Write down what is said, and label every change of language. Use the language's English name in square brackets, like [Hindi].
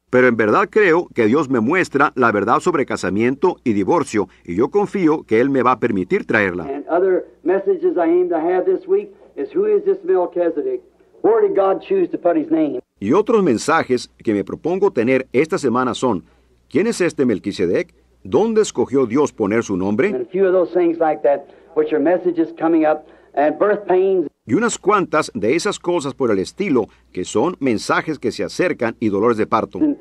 [Spanish] Pero en verdad creo que Dios me muestra la verdad sobre casamiento y divorcio, y yo confío que Él me va a permitir traerla. [English] And other messages I aim to have this week is, who is this Melchizedek? Where did God choose to put his name? [Spanish] Y otros mensajes que me propongo tener esta semana son, ¿quién es este Melquisedec? ¿Dónde escogió Dios poner su nombre? [English] And a few of those things like that, which are messages coming up, and birth pains. [Spanish] Y unas cuantas de esas cosas por el estilo, que son mensajes que se acercan y dolores de parto.